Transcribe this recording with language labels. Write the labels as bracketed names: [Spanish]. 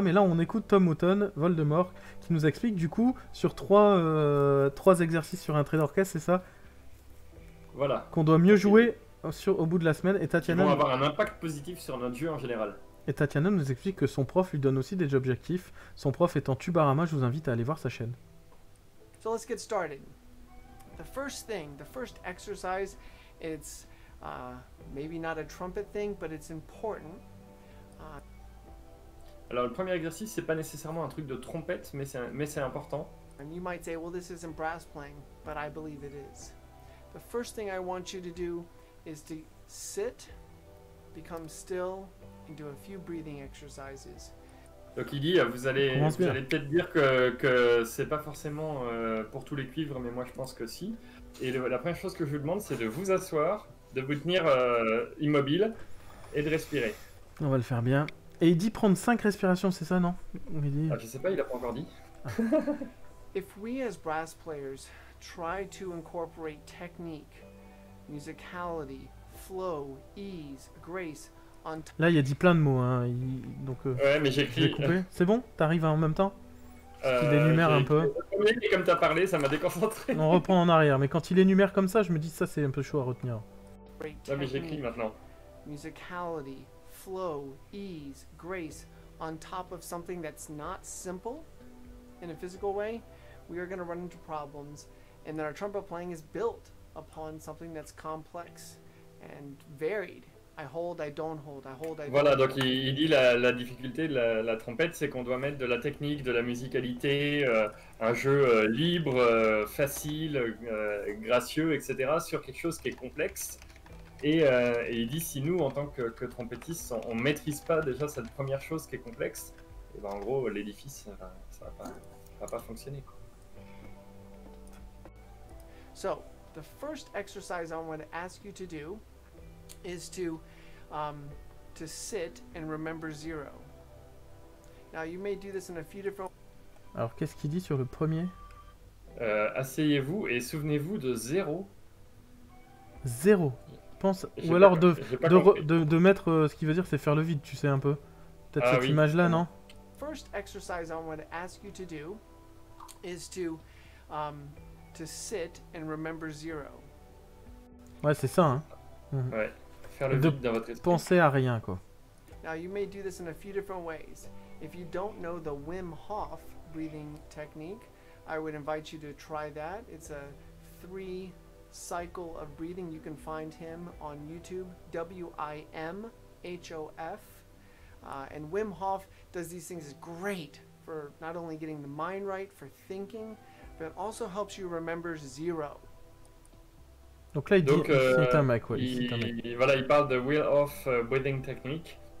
[French] Mais là, on écoute Tom Houghton, Voldemort, qui nous explique, du coup, sur trois exercices sur un trait d'orchestre, c'est ça ? Voilà. Qu'on doit mieux jouer au bout de la semaine. Et Tatiana... Ils vont avoir un impact positif sur notre jeu en général. Et Tatiana nous explique que son prof lui donne aussi des objectifs. Son prof étant Tubarama, je vous invite à aller voir sa chaîne. [English] So let's get started. The first thing, the first exercise, it's maybe not a trumpet thing, but it's important. [French] Alors le premier exercice, c'est pas nécessairement un truc de trompette, mais c'est important. [English] And you might say, well, this isn't brass playing, but I believe it is. The first thing I want you to do is to sit, become still, and do a few breathing exercises. [French] Donc il dit, vous allez peut-être dire que c'est pas forcément pour tous les cuivres, mais moi je pense que si. Et la première chose que je vous demande, c'est de vous asseoir, de vous tenir immobile et de respirer. On va le faire bien. Et il dit prendre 5 respirations, c'est ça, non ? Il dit... Ah, je sais pas, il a pas encore dit. [English] If we as brass players try to incorporate technique, musicality, flow, ease, grace. [French] Là, il a dit plein de mots, hein. Donc ouais, mais j'écris. J'ai coupé. C'est bon ? T'arrives en même temps ? Il énumère un peu. Mais comme t'as parlé, ça m'a déconcentré. On reprend en arrière, mais quand il énumère comme ça, je me dis ça, c'est un peu chaud à retenir. Ouais, mais j'écris maintenant. [English] Musicality, flow, ease, grace, on top of something that's not simple, in a physical way, we are going to run into problems, and that our trumpet playing is built upon something that's complex and varied. I hold, I don't hold, I hold, I don't. [French] Voilà, donc il dit la difficulté de la trompette, c'est qu'on doit mettre de la technique, de la musicalité, un jeu libre, facile, gracieux, etc. sur quelque chose qui est complexe. Et il dit, si nous, en tant que trompettistes, on ne maîtrise pas déjà cette première chose qui est complexe, et ben en gros, l'édifice, ça va pas fonctionner. [English] So, the first exercise I want to ask you to do is to sit and remember zero. Now you may do this in a few different. [French] Alors qu'est-ce qu'il dit sur le premier? Asseyez-vous et souvenez-vous de zéro. Zéro. Pense j'ai ou pas, alors de mettre ce qu'il veut dire c'est faire le vide, tu sais un peu. Peut-être cette image là, non? [English] First exercise I want to ask you to do is to sit and remember zero. [French] Ouais, c'est ça, hein. Mmh. Ouais, faire le vide dans votre esprit. Penser à rien, quoi. [English] Now you may do this in a few different ways. If you don't know the Wim Hof breathing technique, I would invite you to try that. It's a 3 cycle of breathing. You can find him on YouTube, WIMHOF. And Wim Hof does these things great for not only getting the mind right, for thinking, but also helps you remember zero. [French] Donc là, il dit, c'est un mec, ouais. Voilà, il parle de Wim Hof breathing technique.